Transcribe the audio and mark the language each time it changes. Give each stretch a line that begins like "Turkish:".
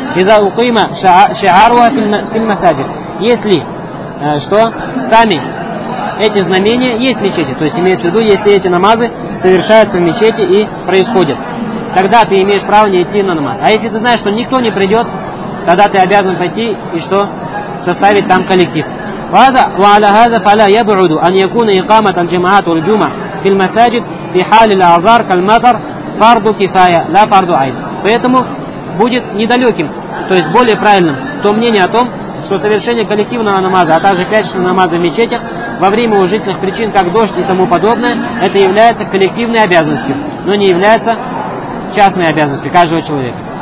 Arabic: «Иза укима шиаруа филь масаджид».
Russian: Если что, сами эти знамения есть в мечети, то есть имеется в виду, если эти намазы совершаются в мечети и происходят, тогда ты имеешь право не идти на намаз. А если ты знаешь, что никто не придет, тогда ты обязан пойти и что? Составить там коллектив.
Arabic: وعلى هذا فلا يبعد أن يكون إقامة الجماعات والجمعة في المساجد في حال الأعذار كالمطر فرض كفاية لا فرض عين.
Russian: Поэтому будет недалеким, то есть более правильным, то мнение о том, что совершение коллективного намаза, а также пятничного намаза в мечетях во время уважительных причин, как дождь и тому подобное, это является коллективной обязанностью, но не является частной обязанностью каждого человека.